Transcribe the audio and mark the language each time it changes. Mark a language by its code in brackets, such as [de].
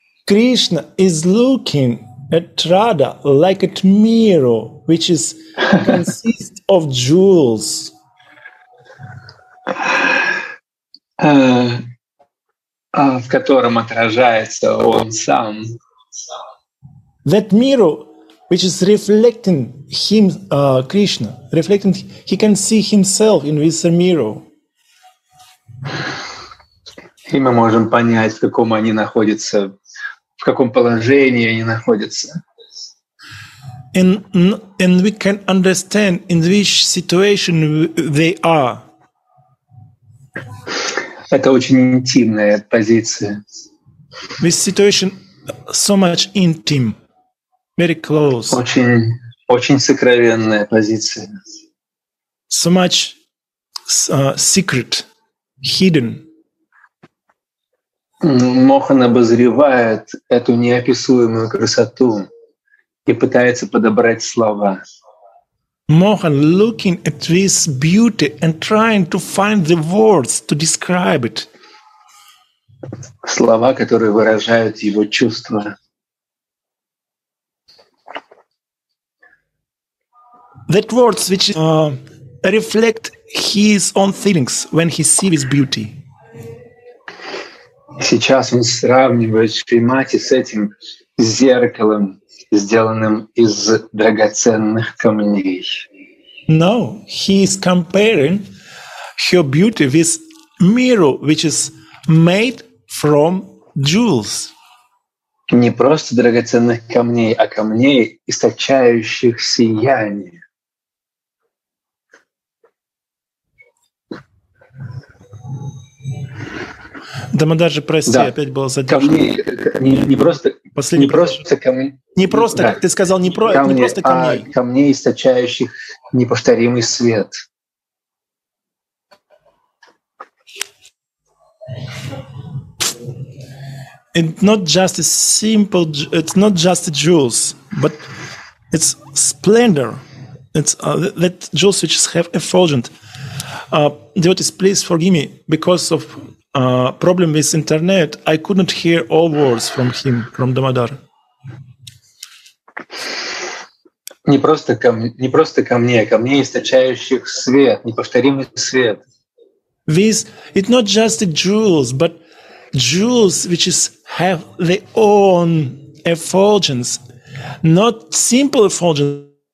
[en] Krishna is looking at Radha like a mirror, which is consists of jewels. [ru] В котором отражается он сам. [en] That mirror, which is reflecting him, Krishna, reflecting, he can see himself in this mirror. [ru] И мы можем понять, в каком они находятся, в каком положении они находятся. [en] And we can understand in which situation they are. [ru] Это очень интимная позиция. [en] This situation so much intimate, very close. [ru] Очень, очень сокровенная позиция. [en] So much secret, hidden. [ru] Мохан обозревает эту неописуемую красоту и пытается подобрать слова. [en] Мохан looking at this beauty and trying to find the words to describe it. [ru] Слова, которые выражают его чувства. [en] That words which reflect his own feelings when he sees this beauty. [ru] Сейчас он сравнивает Шримати с этим зеркалом, сделанным из драгоценных камней. [en] No, he is comparing her beauty with mirror, which is made from jewels. [ru] Не просто драгоценных камней, а камней, источающих сияние. Дамодаджи, прости, да. Опять было задержано. Камни, не просто последний не просто камней, а камней, источающих неповторимый свет. [en] It's not just jewels, but it's splendor. It's that jewels which have effulgent. Devotees, please forgive me because of problem with internet. I couldn't hear all words from him, from Damodar. [ru] Не просто камни, а камни, источающих свет, неповторимый свет. [en] This, it's not just the jewels, but jewels which is have their own effulgence, not simple effulgence.